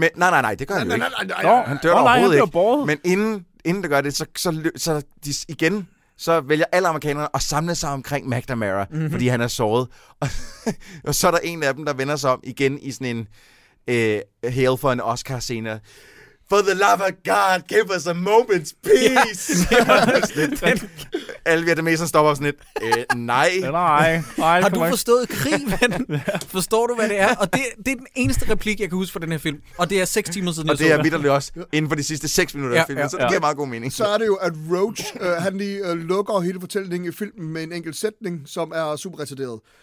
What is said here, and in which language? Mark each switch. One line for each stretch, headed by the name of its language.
Danish: Nej, det gør han ikke. Han dør overhovedet ikke. Men inden det gør det, så de igen, så vælger alle amerikanerne at samle sig omkring McNamara, mm-hmm. fordi han er såret. Og så er der en af dem, der vender sig om igen i sådan en hail for en Oscar-scene.
English: For the love of God, give us a moment's peace!
Danish: Alle vietnameserne stopper sådan lidt. Nej. Har du forstået krig, ven? Forstår du, hvad det er? Og det er den eneste replik, jeg kan huske fra den her film. Og det er 6 timer siden, og det er vitterlig også inden for de sidste 6 minutter af filmen. Ja. Så det giver meget god mening. Så er det jo, at Roach han lige lukker hele fortællingen i filmen med en enkelt sætning, som er super retarderet.